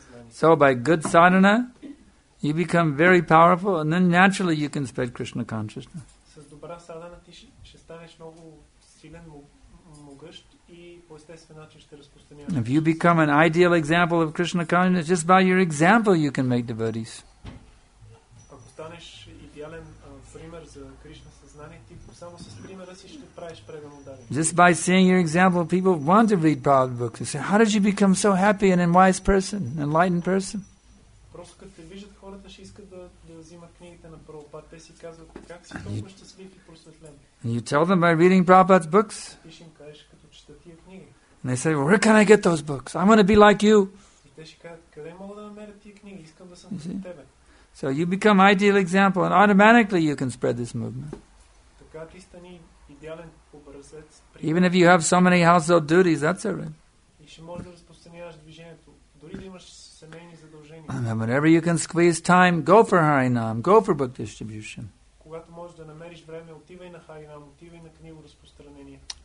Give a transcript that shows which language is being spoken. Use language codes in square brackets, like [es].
[en] So by good sadhana, you become very powerful, and then naturally you can spread Krishna consciousness. [bg] С добра садана ти ще станеш много силен, могъщ и по естествен начин ще разпространяваш. [en] If you become an ideal example of Krishna consciousness, just by your example you can make devotees. [bg] Ако станеш идеален пример за Кришна съзнание, ти само с примера си ще правиш преданодари. [en] Just by seeing your example, people want to read Prabhupada books. They say, how did you become so happy and a wise person, an enlightened person? [bg] Просто като те виждат, хората ще искат да взимат книгите на Прабхупад. Те си казват, как си толкова щастлив и просветлен. [en] And you tell them by reading Prabhupada's books. [bg] Пиши им, кажеш, като чета тия книги. [en] And they say, where can I get those books? I want to be like you. [bg] И те ще кажат, къде мога да намеря тия книги? Искам да съм като тебе. [en] So you become ideal example and automatically you can spread this movement. [bg] Така ти стани идеален образец. [en] Even if you have so many household duties, that's all right. [bg] И ще можеш да разпространяваш движението. Дори да имаш семейни [en] And whenever you can squeeze time, go for Harinam, go for book distribution. [bg] можеш да намериш време, отивай на Харинам, отивай на книгово разпространение.